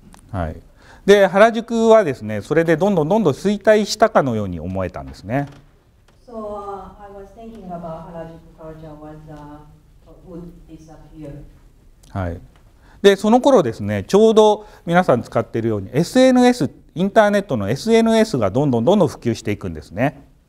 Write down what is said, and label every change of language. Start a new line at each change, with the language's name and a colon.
Japanese: はい、で原宿はですね、それでどんどんどんどん衰退したかのように思えたんですね。
English: So, I was thinking about 原宿 culture was, would disappear.
Japanese: はい、でその頃ですね、ちょうど皆さん使っているように SNS、 インターネットの SNS がどんどんどんどん普及していくんですね。